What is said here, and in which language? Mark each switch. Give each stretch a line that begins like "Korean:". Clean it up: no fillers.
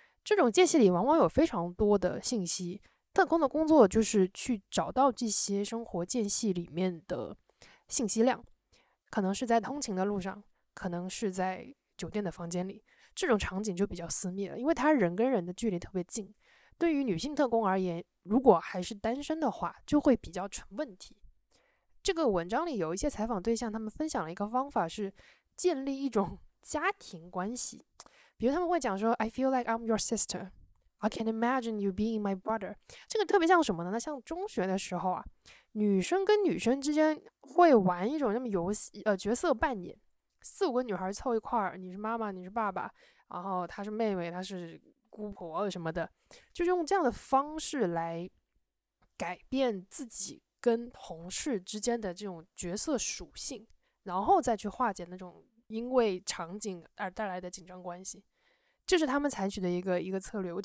Chinese: 这种间隙里往往有非常多的信息，特工的工作就是去找到这些生活间隙里面的信息量，可能是在通勤的路上，可能是在酒店的房间里，这种场景就比较私密了，因为他人跟人的距离特别近。对于女性特工而言，如果还是单身的话，就会比较成问题。这个文章里有一些采访对象，他们分享了一个方法，是建立一种家庭关系。比如他们会讲说
English: I feel like I'm your sister, I can imagine you being my brother.
Chinese: 这个特别像什么呢？那像中学的时候啊，女生跟女生之间会玩一种那么游戏，角色扮演，四五个女孩凑一块儿，你是妈妈，你是爸爸，然后她是妹妹，她是姑婆什么的，就用这样的方式来改变自己跟同事之间的这种角色属性，然后再去化解那种因为场景而带来的紧张关系，这是他们采取的一个策略。